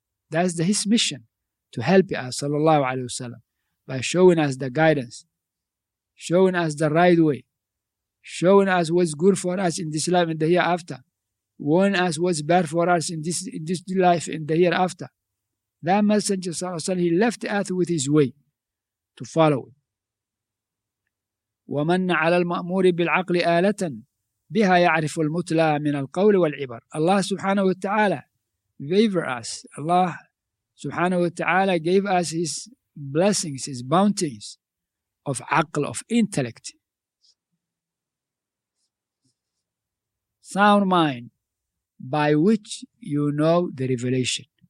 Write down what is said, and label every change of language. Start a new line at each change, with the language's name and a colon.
English: That's his mission, to help us, sallallahu alayhi wa sallam, by showing us the guidance, showing us the right way, showing us what's good for us in this life and the hereafter, warning us what's bad for us in this life and the hereafter. That Messenger, sallallahu alayhi wa sallam, he left us with his way to follow.
Arabic: ومن على المأمور بالعقل آلة بها يعرف المتلى من القول والعبر.
English: Allah subhanahu wa ta'ala favor us. Allah subhanahu wa ta'ala gave us his blessings, his bounties of aql, of intellect, sound mind, by which you know the revelation.